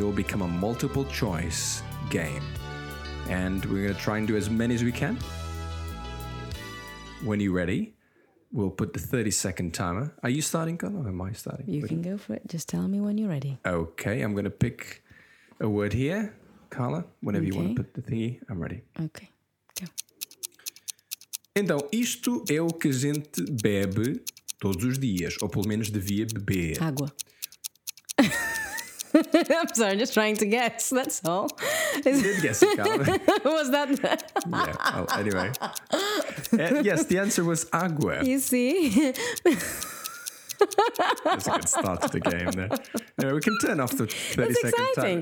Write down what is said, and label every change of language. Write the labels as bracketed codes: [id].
[en] It will become a multiple choice game. And we're going to try and do as many as we can. When you're ready, we'll put the 30-second timer. Are you starting, Carl, or am I starting? You can go for it. Just tell me when you're ready. Okay, I'm going to pick a word here, Carla. Whenever you want to put the thingy, I'm ready. Okay, go. [pt] Então, isto é o que a gente bebe todos os dias, ou pelo menos devia beber. Água. [en] I'm sorry, just trying to guess, that's all. You did guess it, Carla. Was that? Yeah, well, anyway. Yes, the answer was água. You see? That's a good start to the game there. Anyway, we can turn off the 30-second time.